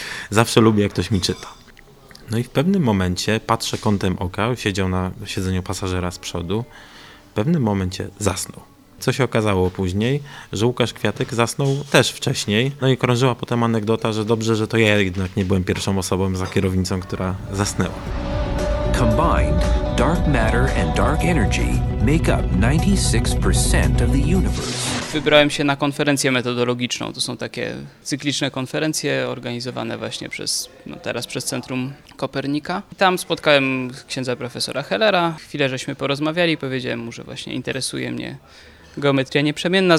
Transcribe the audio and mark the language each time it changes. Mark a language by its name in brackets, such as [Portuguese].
[Polish] Zawsze lubię, jak ktoś mi czyta. No i w pewnym momencie patrzę kątem oka, siedział na siedzeniu pasażera z przodu, w pewnym momencie zasnął. Co się okazało później, że Łukasz Kwiatek zasnął też wcześniej, no i krążyła potem anegdota, że dobrze, że to ja jednak nie byłem pierwszą osobą za kierownicą, która zasnęła. [English] Combined, dark matter and dark energy make up 96% of the universe. [Polish] Wybrałem się na konferencję metodologiczną. To są takie cykliczne konferencje organizowane właśnie przez, no teraz przez Centrum Kopernika. I tam spotkałem księdza profesora Hellera. Chwilę żeśmy porozmawiali, powiedziałem mu, że właśnie interesuje mnie geometria nieprzemienna.